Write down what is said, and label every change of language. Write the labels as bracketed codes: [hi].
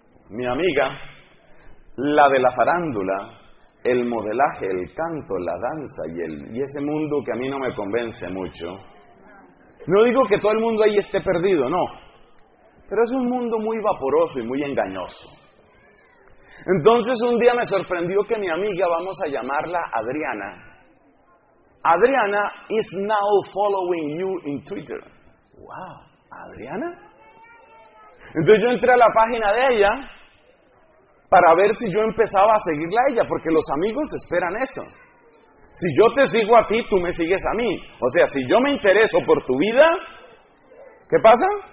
[es] Mi amiga, la de la farándula, el modelaje, el canto, la danza y ese mundo que a mí no me convence mucho. No digo que todo el mundo ahí esté perdido, no. Pero es un mundo muy vaporoso y muy engañoso. Entonces un día me sorprendió que mi amiga, vamos a llamarla Adriana. [en] Adriana is now following you in Twitter. [es] ¡Wow! ¿Adriana? Entonces yo entré a la página de ella para ver si yo empezaba a seguirla a ella, porque los amigos esperan eso. Si yo te sigo a ti, tú me sigues a mí. O sea, si yo me intereso por tu vida, ¿qué pasa?